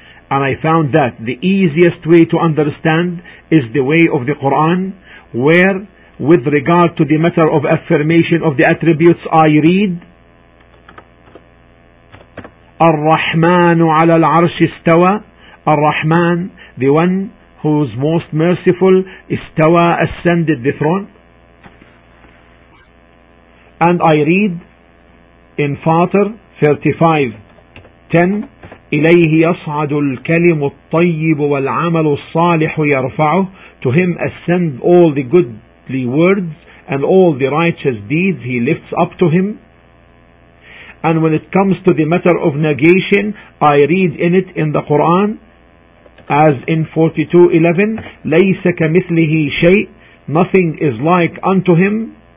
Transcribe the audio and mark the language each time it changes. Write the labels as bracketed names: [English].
[English] And I found that the easiest way to understand is the way of the Quran, where, with regard to the matter of affirmation of the attributes, I read, [Arabic] Ar-Rahmanu ala al-Arsh istawa, [English] Ar-Rahman, the one who's most merciful, istawa, ascended the throne. And I read in Fatir 35:10, [Arabic] إليه يصعد الكلم الطيب والعمل الصالح يرفعه. [English] To him ascend all the goodly words and all the righteous deeds he lifts up to him. And when it comes to the matter of negation, I read in it in the Quran, as in 42:11, [Arabic] ليس كمثله شيء, [English] nothing is like unto him.